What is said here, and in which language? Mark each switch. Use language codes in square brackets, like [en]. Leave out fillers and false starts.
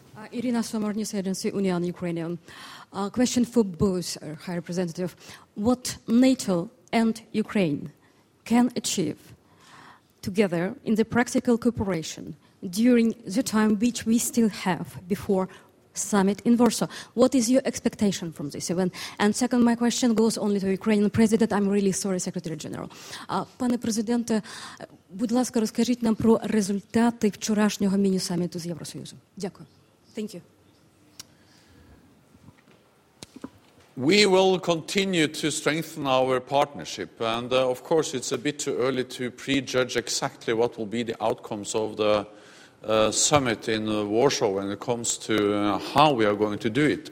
[uk] Ірина Соморніс, агенція Уніан Україна. [en] Question for both, High Representative. What NATO and Ukraine can achieve together in the practical cooperation during the time which we still have before summit in Warsaw? What is your expectation from this event? And second, my question goes only to Ukrainian president. I'm really sorry, Secretary General. [uk] Пане президенте, будь ласка, розкажіть нам про результати вчорашнього міні-саміту з Євросоюзом. Дякую. [en] Thank you. We will continue to strengthen our partnership, and of course it's a bit too early to prejudge exactly what will be the outcomes of the summit in Warsaw when it comes to how we are going to do it.